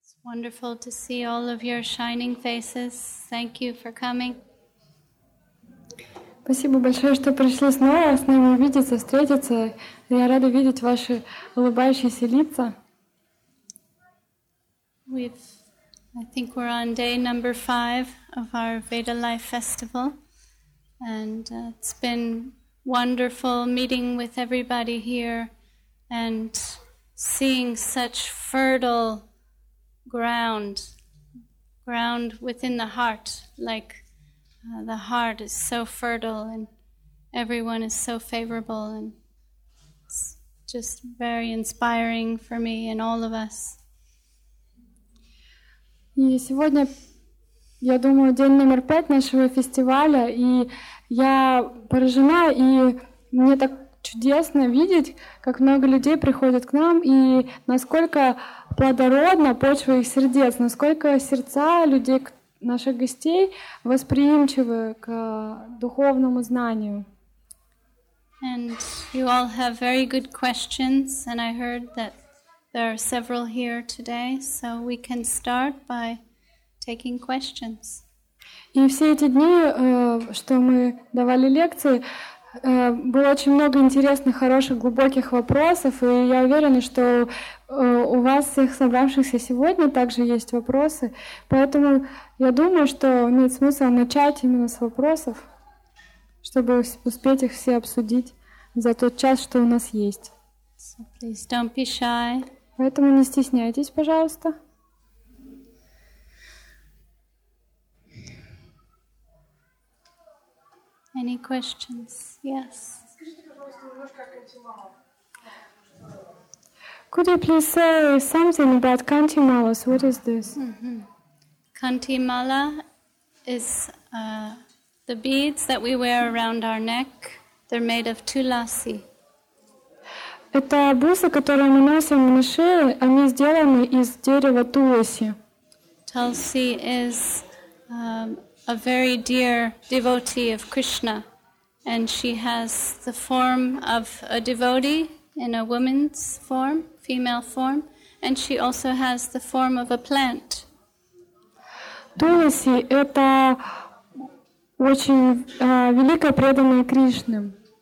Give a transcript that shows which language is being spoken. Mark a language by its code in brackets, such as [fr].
[en] Wonderful to see all of your shining faces. Thank you for coming. [ru] Спасибо большое, что пришли снова с нами увидеться, встретиться. Я рада видеть ваши улыбающиеся лица. [en] I think we're on day number 5 of our Veda Life Festival, and it's been wonderful meeting with everybody here and seeing such fertile ground within the heart, like the heart is so fertile and everyone is so favorable, and it's just very inspiring for me and all of us. [ru] И сегодня, я думаю, день номер 5 нашего фестиваля, и я поражена, и мне так чудесно видеть, как много людей приходят к нам, и насколько плодородна почва их сердец, насколько сердца людей, наших гостей, восприимчивы к духовному знанию. [en] And you all have very good questions, and I heard that there are several here today, so we can start by taking questions. [ru] И все эти дни, что мы давали лекции, было очень много интересных, хороших, глубоких вопросов, и я уверена, что у вас, всех собравшихся сегодня, также есть вопросы. Поэтому я думаю, что имеет смысл начать именно с вопросов, чтобы успеть их все обсудить за тот час, что у нас есть. [en] So please don't be shy. [ru] Поэтому не стесняйтесь, пожалуйста. [en] Any questions? Yes. Could you please say something about Kanti Malas? What is this? Mm-hmm. Kanti Mala is the beads that we wear around our neck. They're made of tulasi. [ru] Это бусы, которые мы носим на шее, они сделаны из дерева туласи. [en] Tulsi is a very dear devotee of Krishna, and she has the form of a devotee in a woman's form, female form, and she also has the form of a plant. [ru] Tulsi – это очень великая преданная Кришне.